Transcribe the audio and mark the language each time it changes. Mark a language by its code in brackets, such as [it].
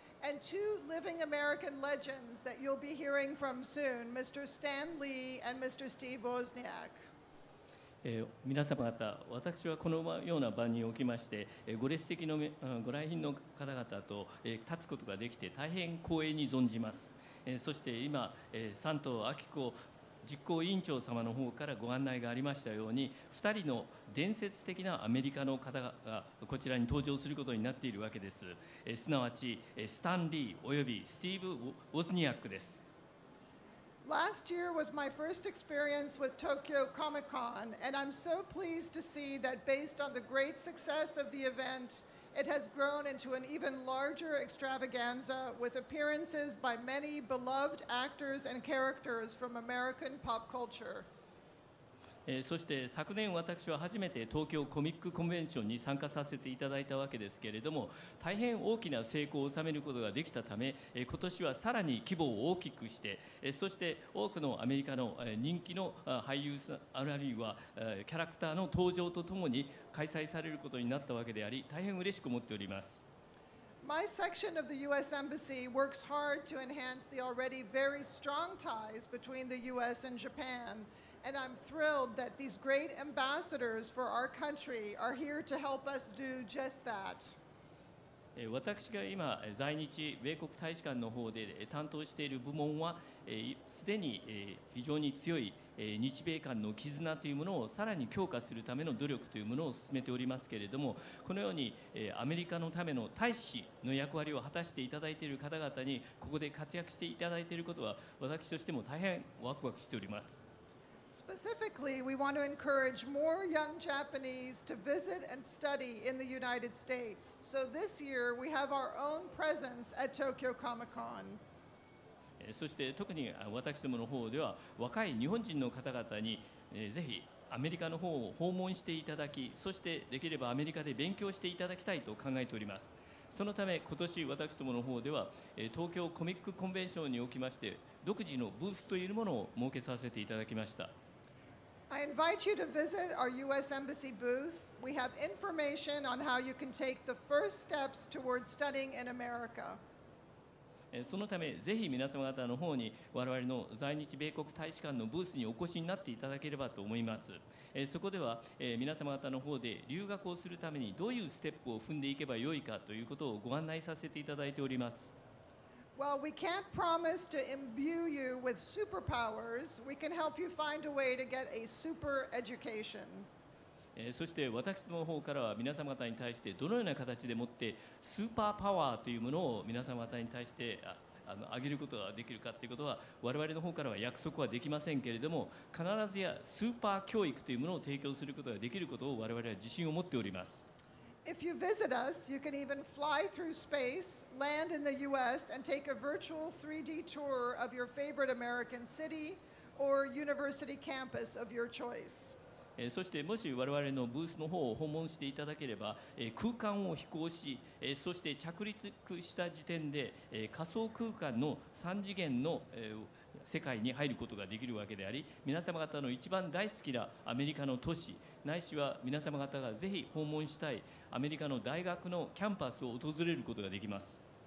[en] And two living American legends that you'll be hearing from soon, Mr. Stan Lee and Mr. Steve Wozniak. [ja] 皆様方、私はこのような場におきまして、ご列席のご来賓の方々と立つことができて大変光栄に存じます。そして今、三島明子実行委員長様の方からご案内がありましたように、2人の伝説的なアメリカの方がこちらに登場することになっているわけです。すなわち、スタン・リーおよびスティーブ・ウォズニアックです。 [en] Last year was my first experience with Tokyo Comic Con, and I'm so pleased to see that based on the great success of the event, it has grown into an even larger extravaganza with appearances by many beloved actors and characters from American pop culture. [ja] そして昨年私は初めて東京コミックコンベンションに参加させていただいたわけですけれども、大変大きな成功を収めることができたため、今年はさらに規模を大きくして、そして多くのアメリカの人気の俳優さん、あるいはキャラクターの登場とともに開催されることになったわけであり、大変嬉しく思っております。 [en] My section of the U.S. Embassy works hard to enhance the already very strong ties between the U.S. and Japan. And I'm thrilled that these great ambassadors for our country are here to help us do just that. [ja] 私が今在日米国大使館の方で担当している部門は、すでに非常に強い日米間の絆というものをさらに強化するための努力というものを進めておりますけれども、このようにアメリカのための大使の役割を果たしていただいている方々にここで活躍していただいていることは、私としても大変ワクワクしております。 [en] Specifically, we want to encourage more young Japanese to visit and study in the United States. So this year, we have our own presence at Tokyo Comic Con. [ja] そして特に私どもの方では、若い日本人の方々にぜひアメリカの方を訪問していただき、そしてできればアメリカで勉強していただきたいと考えております。そのため今年私どもの方では東京コミックコンベンションにおきまして独自のブースというものを設けさせていただきました。 [en] I invite you to visit our U.S. Embassy booth. We have information on how you can take the first steps towards studying in America. [ja] そのためぜひ皆様方の方に我々の在日米国大使館のブースにお越しになっていただければと思います。そこでは皆様方の方で留学をするためにどういうステップを踏んでいけばよいかということをご案内させていただいております。 [en] Well, we can't promise to imbue you with superpowers. We can help you find a way to get a super education. [ja] そして私の方からは皆様方に対してどのような形でもってスーパーパワーというものを皆様方に対して上げることができるかということは我々の方からは約束はできませんけれども、必ずやスーパー教育というものを提供することができることを我々は自信を持っております。 [en] If you visit us, you can even fly through space, land in the US and take a virtual 3D tour of your favorite American city or university campus of your choice。 [ja] そしてもし我々のブースの方を訪問していただければ、空間を飛行し、そして着陸した時点で、仮想空間の3次元の、世界に入ることができるわけであり、皆様方の一番大好きなアメリカの都市、ないしは皆様方がぜひ訪問したいアメリカの大学のキャンパスを訪れることができます。